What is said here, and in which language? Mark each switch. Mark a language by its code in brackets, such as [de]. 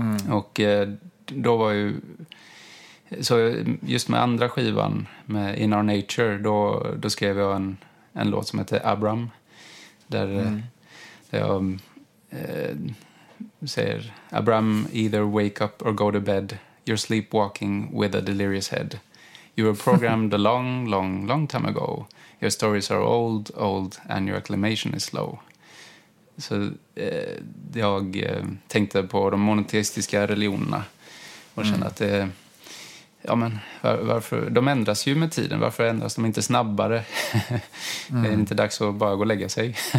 [sv] Och då var ju så, just med andra skivan, med In Our Nature, då skrev jag en låt som heter Abram, där jag säger: [en] Abram, either wake up or go to bed, you're sleepwalking with a delirious head. You were programmed a long, long, long time ago. Your stories are old, old, and your acclimation is slow. [sv] Så jag tänkte på de monoteistiska religionerna och kände att det... varför, de ändras ju med tiden. Varför ändras de inte snabbare? Det är inte dags att bara gå och lägga sig.